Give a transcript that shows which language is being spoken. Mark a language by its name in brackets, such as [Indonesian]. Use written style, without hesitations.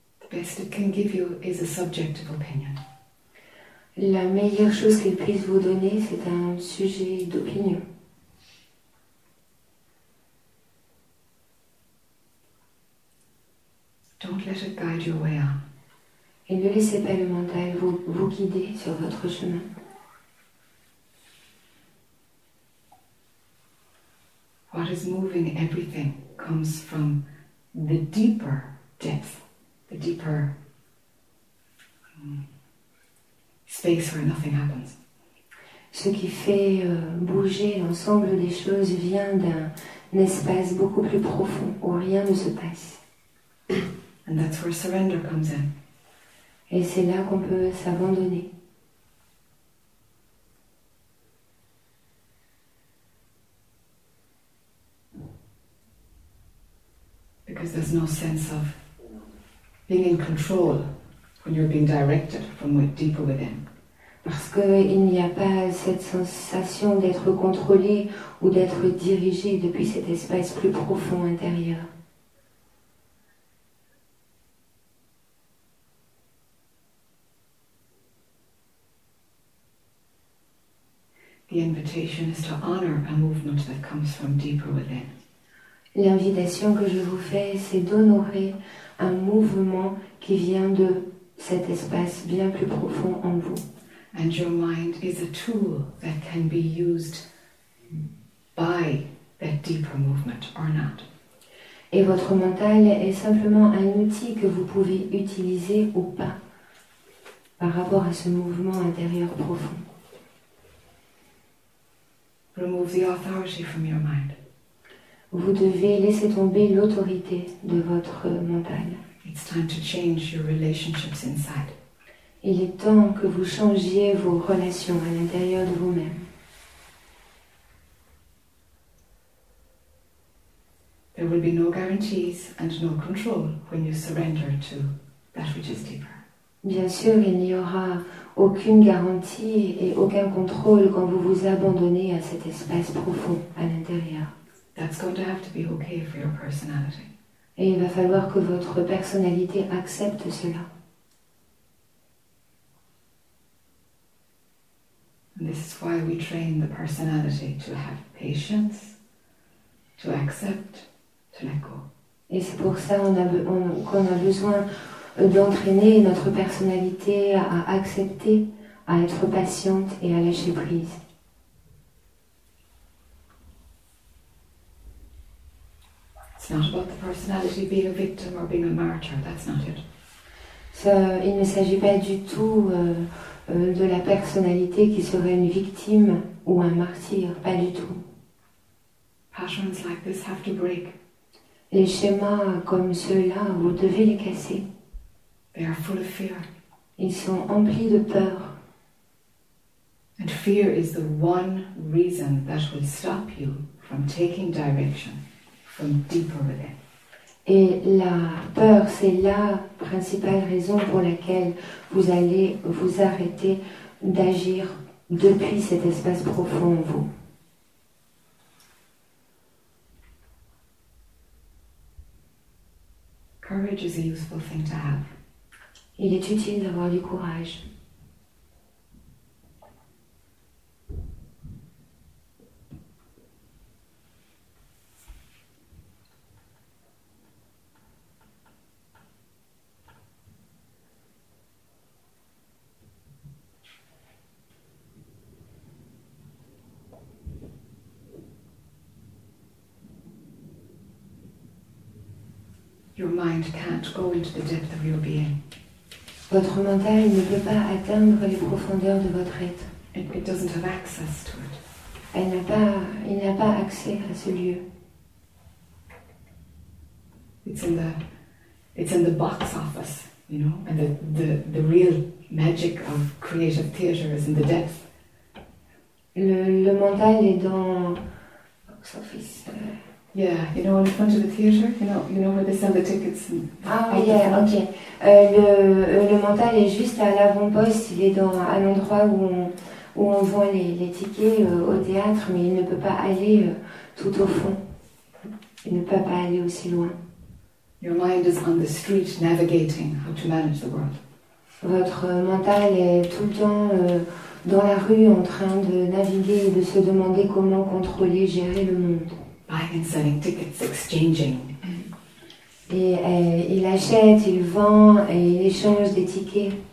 [English] The best it can give you is a subjective opinion. [French] La meilleure chose qu'il puisse vous donner, c'est un sujet d'opinion. [English] Don't let it guide your way on. [French] Et ne laissez pas le mental vous guider sur votre chemin. [English] What is moving everything comes from the deeper depth. The deeper space where nothing happens. [French] Ce qui fait bouger l'ensemble des choses vient d'un espace beaucoup plus profond où rien ne se passe. [English] And that's where surrender comes in. [French] Et c'est là qu'on peut s'abandonner. [English] Because there's no sense of being in control when you're being directed from deeper within. [French] Parce qu'il n'y a pas cette sensation d'être contrôlé ou d'être dirigé depuis cet espace plus profond intérieur. [English] The invitation is to honor a movement that comes from deeper within. [French] L'invitation que je vous fais, c'est d'honorer un mouvement qui vient de cet espace bien plus profond en vous. [English] And your mind is a tool that can be used by that deeper movement or not. [French] Et votre mental est simplement un outil que vous pouvez utiliser ou pas par rapport à ce mouvement intérieur profond. [English] Remove the authority from your mind. [French] Vous devez laisser tomber l'autorité de votre mental. [English] It's time to change your relationships inside. [French] Il est temps que vous changiez vos relations à l'intérieur de vous-même. [English] There will be no guarantees and no control when you surrender to that which is deeper. [French] Bien sûr, il n'y aura aucune garantie et aucun contrôle quand vous vous abandonnez à cet espace profond à l'intérieur. [English] That's going to have to be okay for your personality. [French] Et il va falloir que votre personnalité accepte cela. [English] And this is why we train the personality to have patience, to accept, to let go. [French] Et c'est pour ça qu'on a besoin d'entraîner notre personnalité à accepter, à être patiente et à lâcher prise. [English] It's not about the personality being a victim or being a martyr. That's not it. [French] So, il ne s'agit pas du tout de la personnalité qui serait une victime ou un martyr. Pas du tout. [English] Patterns like this have to break. [French] Les schémas comme ceux-là, vous devez les casser. [English] They are full of fear. [French] Ils sont emplis de peur. [English] And fear is the one reason that will stop you from taking direction, from deeper within. [French] Et la peur, c'est la principale raison pour laquelle vous allez vous arrêter d'agir depuis cet espace profond en vous. [English] Courage is a useful thing to have. [French] Il est utile d'avoir du courage. [English] Your mind can't go into the depth of your being. [French] Votre mental ne peut pas atteindre les profondeurs de votre être. [English] It doesn't have access to it. [French] Il n'a pas accès à ce lieu. [English] It's in the box office, you know, and the real magic of creative theater is in the depth. [French] Le mental est dans box office. [English] Yeah, you know, in front of the theater, you know where they sell the tickets. Ah, yeah, okay. [French] Le mental est juste à l'avant-poste. Il est dans un endroit où on vend les tickets au théâtre, mais il ne peut pas aller tout au fond. Il ne peut pas aller aussi loin. [English] Your mind is on the street, navigating how to manage the world. [French] Votre mental est tout le temps dans la rue, en train de naviguer et de se demander comment contrôler, gérer le monde. [English] Buying and selling tickets, exchanging. [French] Et il achète, il vend et il échange des tickets.